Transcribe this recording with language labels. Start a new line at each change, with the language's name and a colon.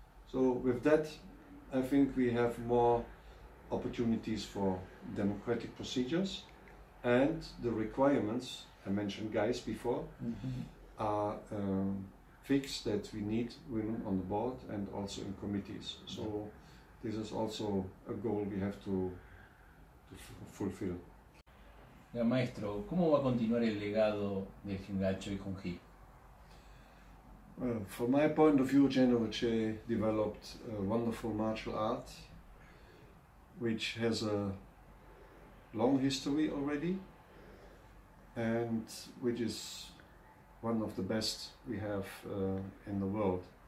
English: So with that, I think we have more opportunities for democratic procedures, and the requirements, I mentioned guys before, are fixed that we need women on the board and also in committees. So this is also a goal we have to fulfill.
Spanish: Ya, maestro, ¿cómo va a continuar el legado de Jingacho y Kung-hi?
English: Well, from my point of view, Jingacho developed a wonderful martial art, which has a long history already, and which is one of the best we have in the world.